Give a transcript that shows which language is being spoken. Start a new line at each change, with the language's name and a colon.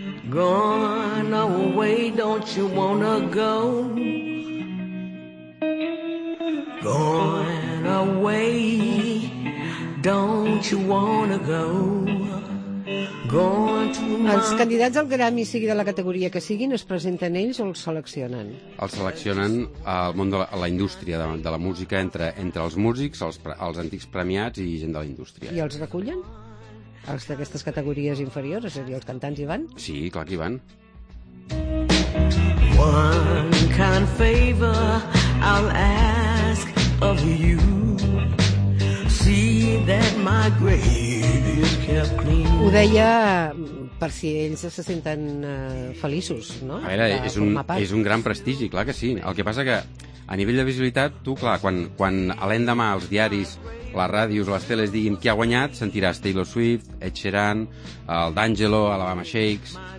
English: Going away, don't you wanna go? Going away, don't you wanna go? Going to my...
Catalan: Els candidats al Grammy, sigui de la categoria que siguin, es presenten ells o els seleccionen? Els seleccionen al món a la indústria de la música, entre els músics, els antics premiats i gent de la indústria. I els recullen? Els d'aquestes categories inferiors, és a dir, els cantants hi van? Sí, clar que hi van.
English: One kind favor I'll ask of you. See that my grave is kept clean.
Catalan: Ho deia per si ells se senten feliços, no? A veure, és un gran prestigi, clar que sí. El que passa que a nivell de visibilitat, tu, clar, quan l'endemà els diaris, les ràdios, les teles diguin qui ha guanyat, sentiràs Taylor Swift, Ed Sheeran, el D'Angelo, Alabama Shakes...